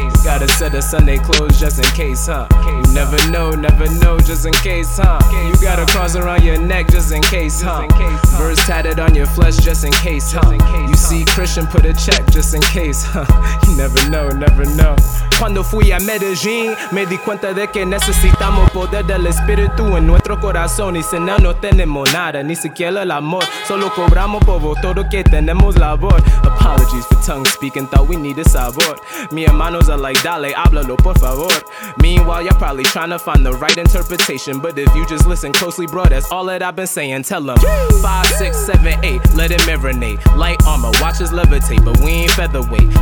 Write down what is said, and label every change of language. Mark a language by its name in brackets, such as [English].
[English] Got a set of Sunday clothes just in case, huh? Never know, just in case, huh? You got a cross around your neck, just in case, huh? Verse tatted on your flesh, just in case, huh? You see Christian, put a check, just in case, huh? You never know, never know. [Spanish] Cuando fui a Medellín, me di cuenta de que necesitamos poder del espíritu en nuestro corazón. Y sin él no tenemos nada, ni siquiera el amor. Solo cobramos por todo que tenemos labor. [English] Apologies for tongue speaking, thought we needed sabor. [Spanish] Mi hermanos [English] are like, [Spanish] dale, háblalo, por favor. [English] Meanwhile, y'all probably trying to find the right interpretation. But if you just listen closely, bro, that's all that I've been saying. Tell them 5, 6, 7, 8, let it marinate. Light armor, watches levitate, but we ain't featherweight.